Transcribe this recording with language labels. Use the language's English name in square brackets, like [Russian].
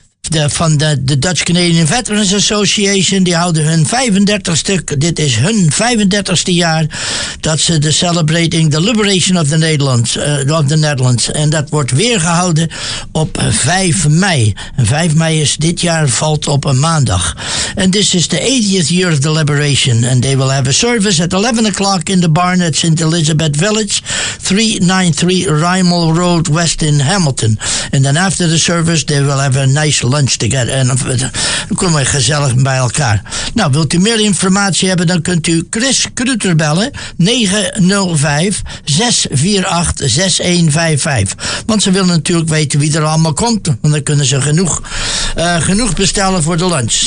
[Dutch] van de Dutch Canadian Veterans Association. Die houden hun 35ste, dit is hun 35ste jaar, dat ze de [English] celebrating the liberation of the Netherlands. [Dutch] En dat wordt weer gehouden op 5 mei. En 5 mei is dit jaar, valt op een maandag. [English] And this is the 80th year of the liberation. And they will have a service at 11 o'clock in the barn at St. Elizabeth Village, 393 Rymel Road, West in Hamilton. And then after the service, they will have a nice lunch together. [Dutch] En dan komen we gezellig bij elkaar. Nou, wilt u meer informatie hebben, dan kunt u Chris Kruter bellen, 905-648-6155. Want ze willen natuurlijk weten wie er allemaal komt, want dan kunnen ze genoeg bestellen voor de lunch.